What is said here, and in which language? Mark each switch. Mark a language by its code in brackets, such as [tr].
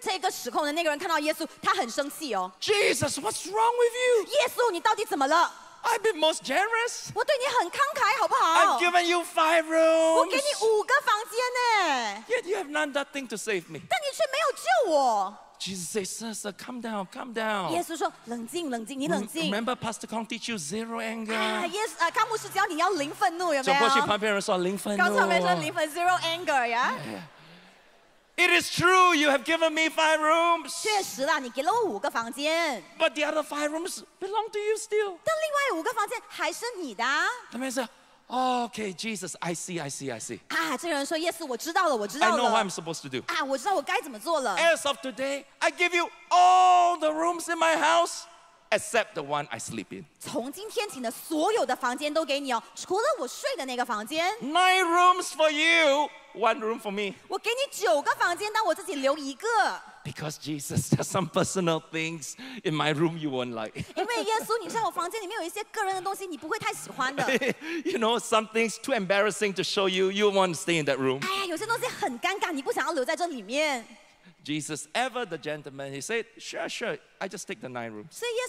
[zh] 这个时空的那个人看到耶稣,他很生气哦。 [en] Jesus, what's wrong with you? [zh] 耶稣,你到底怎么了? [en] I've been most generous. [zh] 我对你很慷慨,好不好? [en] I've given you 5 rooms. [zh] 我给你5个房间耶。 [en] Yet you have done nothing to save me. [zh] 但你却没有救我。 [en] Jesus says, sir, sir, calm down, calm down. [zh] 耶稣说,冷静,冷静,你冷静。 [en] Remember Pastor Kong teach you zero anger. [zh] 啊,耶稣,康牧师教你要零愤怒,有没有? 走过去旁边人说,零愤怒。刚才没说,零愤, [en] zero anger, yeah? Yeah. It is true, you have given me 5 rooms. [zh] 确实啦,你给了我5个房间。 [en] But the other 5 rooms belong to you still. [zh] 但另外5个房间还是你的。 [en] The man said, oh, okay, Jesus, I see, I see, I see. [zh] 啊, 这个人说, 耶稣, 我知道了, 我知道了。 [en] I know what I'm supposed to do. [zh] 啊, 我知道我该怎么做了。 [en] As of today, I give you all the rooms in my house. except the one I sleep in. [zh] 从今天起呢，所有的房间都给你哦，除了我睡的那个房间。 [en] 9 rooms for you, 1 room for me. [zh] 我给你9个房间，但我自己留一个。 [en] Because Jesus, there's some personal things in my room you won't like. [zh] 因为耶稣，你知道我房间里面有一些个人的东西，你不会太喜欢的。 [en] You know, some things too embarrassing to show you. You won't stay in that room. [zh] 哎呀，有些东西很尴尬，你不想要留在这里面。 [en] Jesus, ever the gentleman, he said, sure, I just take the 9 rooms.